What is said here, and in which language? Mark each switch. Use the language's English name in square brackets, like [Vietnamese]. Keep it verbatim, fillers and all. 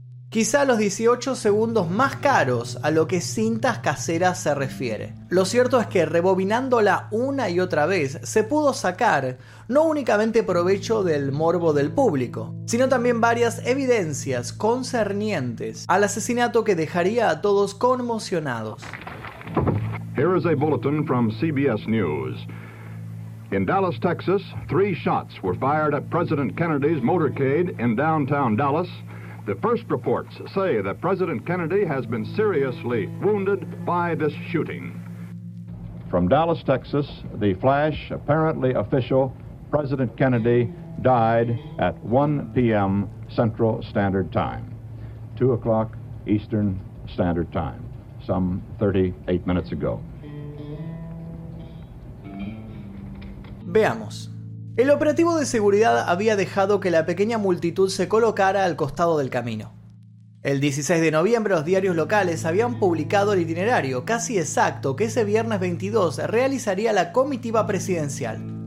[Spanish] Quizá los dieciocho segundos más caros a lo que cintas caseras se refiere. Lo cierto es que rebobinándola una y otra vez se pudo sacar no únicamente provecho del morbo del público, sino también varias evidencias concernientes al asesinato que dejaría a todos conmocionados. [English] Here is a bulletin from C B S News. In Dallas, Texas, three shots were fired at President Kennedy's motorcade in downtown Dallas. The first reports say that President Kennedy has been seriously wounded by this shooting. From Dallas, Texas, the flash, apparently official, President Kennedy died at one p.m. Central Standard Time, two o'clock Eastern Standard Time, some thirty-eight minutes ago. [Spanish] Veamos. El operativo de seguridad había dejado que la pequeña multitud se colocara al costado del camino. El dieciséis de noviembre los diarios locales habían publicado el itinerario casi exacto que ese viernes veintidós realizaría la comitiva presidencial.